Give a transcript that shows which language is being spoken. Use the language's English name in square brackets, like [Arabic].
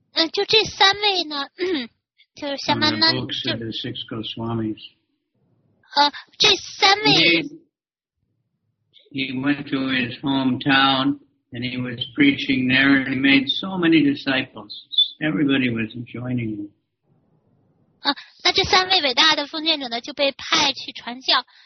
[Chinese] 就这三位呢，就是夏曼南这三位 [English] he went to his hometown and he was preaching there and he made so many disciples. Everybody was joining him. [Chinese] 那这三位伟大的奉献者呢就被派去传教。